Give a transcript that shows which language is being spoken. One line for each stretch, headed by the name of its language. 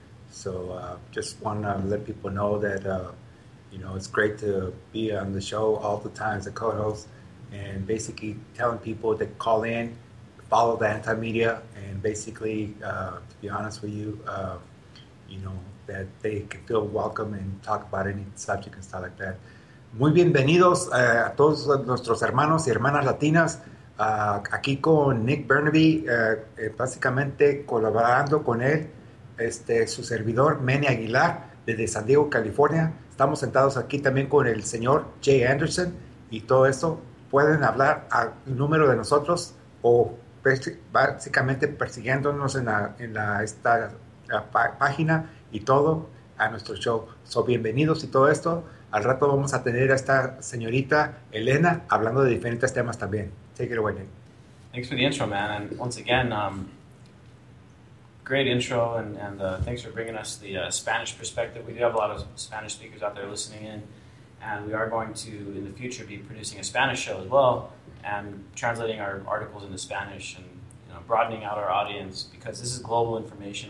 English: So just want to let people know that, you know, it's great to be on the show all the time as a co-host, and basically telling people to call in, follow the anti-media, and basically, to be honest with you, you know, that they can feel welcome and talk about any subject and stuff like that.
Spanish: Muy bienvenidos a todos nuestros hermanos y hermanas latinas, aquí con Nick Burnaby, básicamente colaborando con él, su servidor, Manny Aguilar, desde San Diego, California. Estamos sentados aquí también con el señor Jay Anderson, y todo eso. Pueden hablar al número de nosotros, o básicamente persiguiéndonos en la esta página y todo a nuestro show. So, bienvenidos y todo esto. Al rato vamos a tener a esta señorita Elena hablando de diferentes temas también.
English: Take it away, Nick. Thanks for the intro, man. And once again, great intro, and thanks for bringing us the Spanish perspective. We do have a lot of Spanish speakers out there listening in, and we are going to, in the future, be producing a Spanish show as well, and translating our articles into Spanish, and you know, broadening out our audience, because this is global information.